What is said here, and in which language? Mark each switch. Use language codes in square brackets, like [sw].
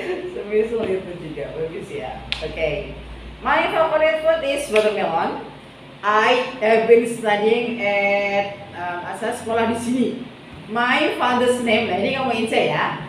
[id] Semisal itu juga bagus ya. [en] Okay, my favorite food is watermelon. I have been studying at [id] asal sekolah di sini. [en] My father's name, [id] nah ini kamu ingat ya?